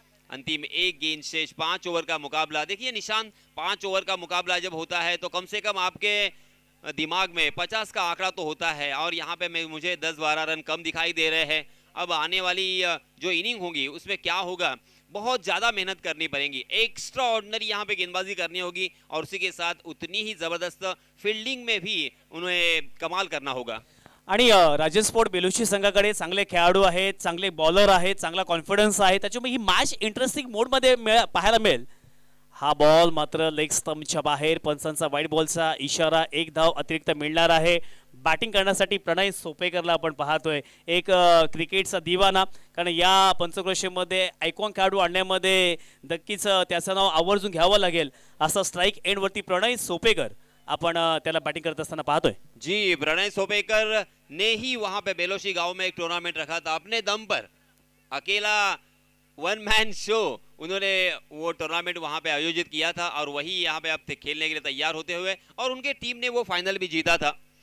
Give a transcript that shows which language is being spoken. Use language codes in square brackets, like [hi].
[hi] अंतिम एक गेंद शेष, पांच ओवर का मुकाबला। देखिए निशान, पांच ओवर का मुकाबला जब होता है तो कम से कम आपके दिमाग में 50 का आंकड़ा तो होता है और यहाँ पे मुझे 10-12 रन कम दिखाई दे रहे हैं। अब आने वाली जो इनिंग होगी उसमें क्या होगा, बहुत ज्यादा मेहनत करनी पड़ेगी, एक्स्ट्रा ऑर्डिनरी यहाँ पे गेंदबाजी करनी होगी और उसी के साथ उतनी ही जबरदस्त फील्डिंग में भी उन्हें कमाल करना होगा। [mr] आणि राजस्पोर्ट बेलुशी संघाकडे चांगले खेळाडू आहेत, चांगले बॉलर आहेत, चांगला कॉन्फिडन्स आहे, त्याच्यामुळे ही मॅच इंटरेस्टिंग मोडमध्ये पाहायला मिळेल। हा बॉल मात्र लेग स्टंपच्या बाहेर, पंचांचा वाईड बॉलचा इशारा, एक धाव अतिरिक्त मिळणार आहे। बॅटिंग करण्यासाठी प्रणय सोपेकरला आपण पाहतोय, एक क्रिकेटचा दिवाना, कारण या पंचक्रोशीमध्ये आयकॉन खेळाडू आणण्यामध्ये नक्कीच त्याचं नाव आवर्जून घ्यावं लागेल असा स्ट्राईक एंडवरती प्रणय सोपेकर आपण त्याला बॅटिंग करत असताना पाहतोय। [hi] जी, प्रणय सोपेकर ने ही वहां पे बेलोशी गाव में एक टूर्नामेंट रखा था अपने दम पर, अकेला वन मैन शो उन्होंने वो टूर्नामेंट वहां पे आयोजित किया था और वही यहां पे अब खेलने के लिए तैयार होते हुए और उनके टीम ने वो फाइनल भी जीता था।